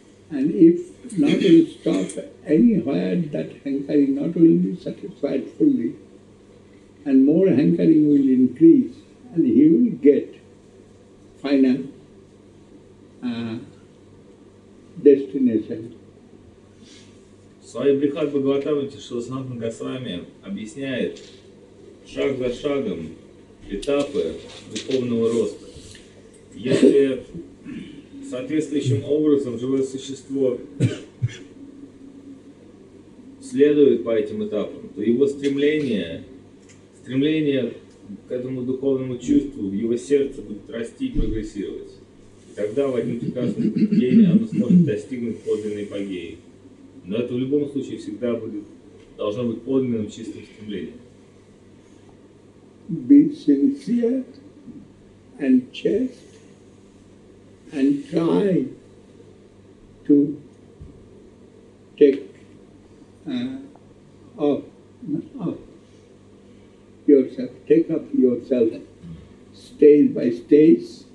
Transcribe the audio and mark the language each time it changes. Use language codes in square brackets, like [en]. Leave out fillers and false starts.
[en] And if not will stop anywhere, that hankering not will be satisfied fully, and more hankering will increase, and he will get final destination. [ru] Свами Брихат Бхагаватамати Шрила Санатана Госвами объясняет шаг за шагом этапы духовного роста. Если соответствующим образом живое существо следует по этим этапам, то его стремление к этому духовному чувству в его сердце будет расти и прогрессировать. Тогда в один прекрасный день оно сможет достигнуть подлинной апогеи. Но это в любом случае всегда должно быть подлинным чистым стремлением. [en] Be sincere and chaste and try to take off yourself, take up yourself stage by stage.